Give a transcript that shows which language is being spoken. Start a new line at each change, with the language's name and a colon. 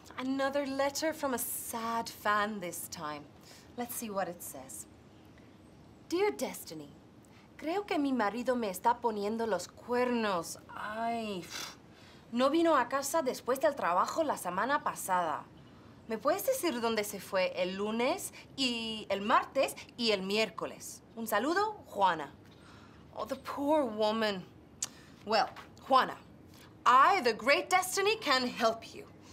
English: Another letter from a sad fan this time. Let's see what it says. Dear Destiny,
Spanish: creo que mi marido me está poniendo los cuernos. Ay, no vino a casa después del trabajo la semana pasada. ¿Me puedes decir dónde se fue el lunes y el martes y el miércoles? Un saludo, Juana.
English: Oh, the poor woman. Well, Juana, I, the great Destiny, can help you.